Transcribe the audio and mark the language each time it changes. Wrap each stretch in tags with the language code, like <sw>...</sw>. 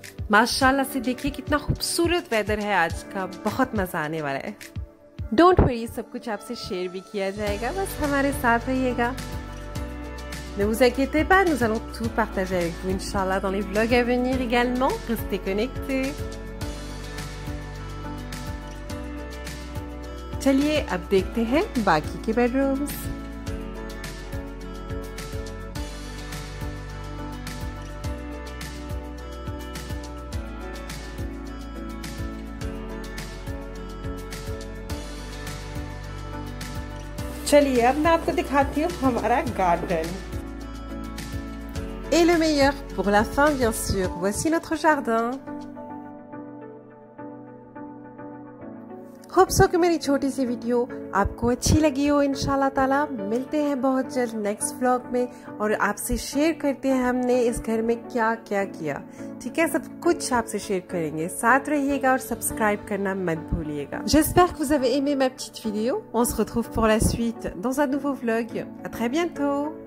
<hi>माशाल्लाह से देखिए कितना खूबसूरत वेदर है आज का, बहुत मजा आने वाला है. डोंट वरी, सब कुछ आपसे शेयर भी किया जाएगा, बस हमारे साथ रहिएगा.</hi> <fr>Ne vous inquiétez pas, nous allons tout partager avec vous inshallah dans les vlogs à venir également. Restez connectés.</fr> <hi>चलिए अब देखते हैं बाकी के बेडरूम्स. चलिए अब मैं आपको दिखाती हूँ हमारा garden.</hi> <fr>Et le meilleur pour la fin bien sûr, voici notre jardin.</fr> <hi>Hope so कि मेरी छोटी सी वीडियो आपको अच्छी लगी हो इंशाल्लाह ताला. मिलते हैं बहुत जल्द नेक्स्ट व्लॉग में और आपसे शेयर करते हैं हमने इस घर में क्या क्या किया. ठीक है, सब कुछ आपसे शेयर करेंगे. साथ रहिएगा और सब्सक्राइब करना मत भूलिएगा.</hi> <fr>J'espère que vous avez aimé ma petite vidéo. On se retrouve pour la suite dans un nouveau vlog. À très bientôt.</fr>